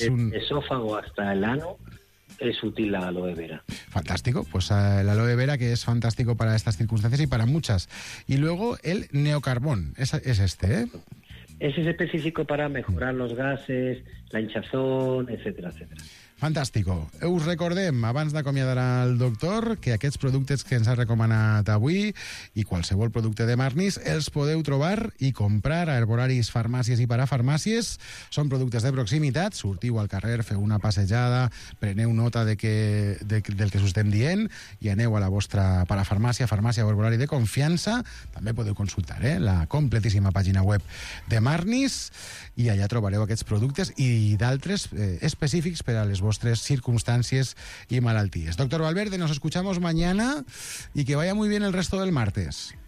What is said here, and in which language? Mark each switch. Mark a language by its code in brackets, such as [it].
[es] esófago hasta el ano, es útil la aloe vera. Fantástico, pues la aloe vera, que es fantástico para estas circunstancias y para muchas. Y luego el neocarbón, es este, ¿eh? Ese es específico para mejorar los gases, la hinchazón, etcétera, etcétera. Fantàstico. [ca] Us recordem, abans d'acomiadar el doctor, que aquests productes que ens ha recomanat avui i qualsevol producte de Marnis els podeu trobar i comprar a herboraris, farmàcies i parafarmàcies. Són productes de proximitat. Sortiu al carrer, feu una passejada, preneu nota del que us estem dient i aneu a la vostra parafarmàcia, farmàcia o herborari de confiança. També podeu consultar la completíssima pàgina web de Marnis i allà trobareu aquests productes i d'altres específics per a les vostres circumstàncies i malalties. [es] Doctor Valverde, nos escuchamos mañana y que vaya muy bien el resto del martes.